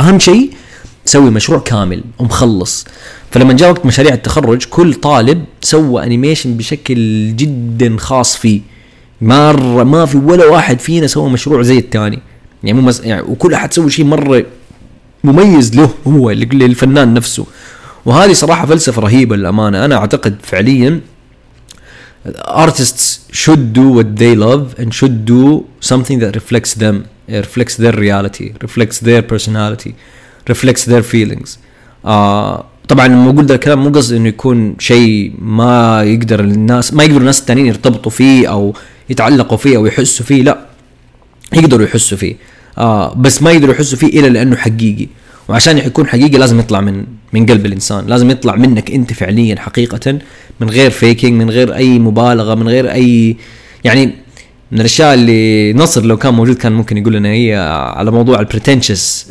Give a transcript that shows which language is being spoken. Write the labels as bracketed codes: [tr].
[ar] اهم شيء سوي مشروع كامل ومخلص. فلما جاء وقت مشاريع التخرج كل طالب سوى انيميشن بشكل جدا خاص فيه. ما في ولا واحد فينا سوى مشروع زي الثاني يعني مو يعني وكل احد سوى شيء مره مميز له هو للفنان نفسه. وهذه صراحة فلسفة رهيبة للأمانة. أنا أعتقد فعليا [en] artists should do what they love and should do something that reflects them, it reflects their reality, reflects their personality, reflects their feelings. [ar] طبعا لما أقول ده الكلام مو قصدي إنه يكون شيء ما يقدر الناس التانين يرتبطوا فيه أو يتعلقوا فيه أو يحسوا فيه. لا يقدروا يحسوا فيه بس ما يقدروا يحسوا فيه إلا لأنه حقيقي. وعشان يكون حقيقي لازم يطلع من قلب الإنسان. لازم يطلع منك أنت فعليا حقيقة من غير فيكينج من غير أي مبالغة من غير أي يعني من الأشياء اللي نصر لو كان موجود كان ممكن يقول لنا هي على موضوع البريتنشس.